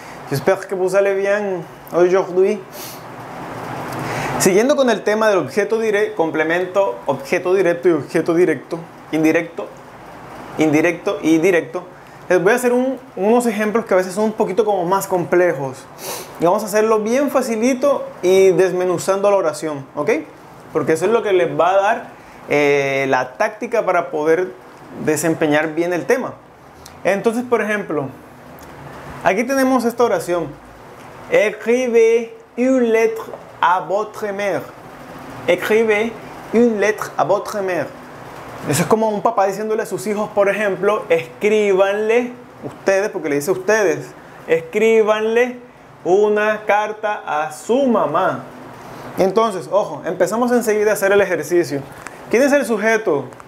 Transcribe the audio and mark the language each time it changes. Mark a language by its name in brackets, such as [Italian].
[Spanish] Espero que [French] vous allez bien aujourd'hui. [Spanish] Siguiendo con el tema del objeto directo, complemento objeto directo y objeto directo, indirecto, indirecto y directo, les voy a hacer unos ejemplos que a veces son un poquito como más complejos. Y vamos a hacerlo bien facilito y desmenuzando la oración, ¿ok? Porque eso es lo que les va a dar la táctica para poder desempeñar bien el tema. Entonces, por ejemplo, aquí tenemos esta oración. [French] Écrivez une lettre à votre mère. Écrivez une lettre à votre mère. [Spanish] Eso es como un papá diciéndole a sus hijos, por ejemplo, escríbanle, ustedes, porque le dice ustedes, escríbanle una carta a su mamá. Entonces, ojo, empezamos enseguida a hacer el ejercicio. ¿Quién es el sujeto?